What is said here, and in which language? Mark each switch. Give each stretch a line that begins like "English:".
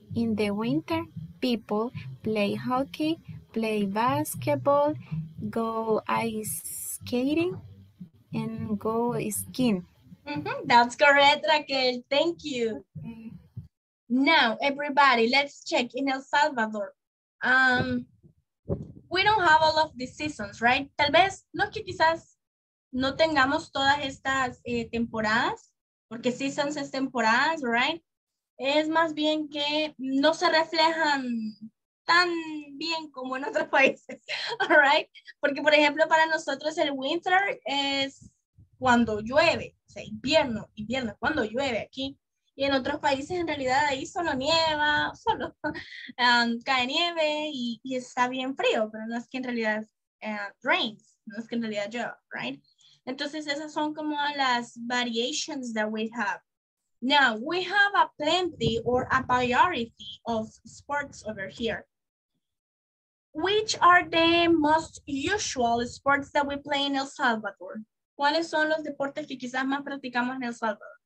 English: In the winter, people play hockey, play basketball, go ice skating, and go skiing. Mm-hmm. That's correct, Raquel. Thank you. Now, everybody, let's check in El Salvador. We don't have all of the seasons, right?
Spanish: Tal vez, no que quizás no tengamos todas estas temporadas, porque seasons es temporadas,
English: right?
Spanish: Es más bien que no se reflejan tan bien como en otros países,
English: all right?
Spanish: Porque, por ejemplo, para nosotros el winter es cuando llueve, o sea, invierno, invierno es cuando llueve aquí. Y en otros países, en realidad, ahí solo nieva, solo cae nieve y está bien frío, pero no es que en realidad rains, no es que en realidad llueva,
English: right?
Spanish: Entonces, esas son como las
English: variations that we have. Now, we have a plenty or a variety of sports over here. Which are the most usual sports that we play in El Salvador?
Spanish: ¿Cuáles son los deportes que quizás más practicamos en El Salvador?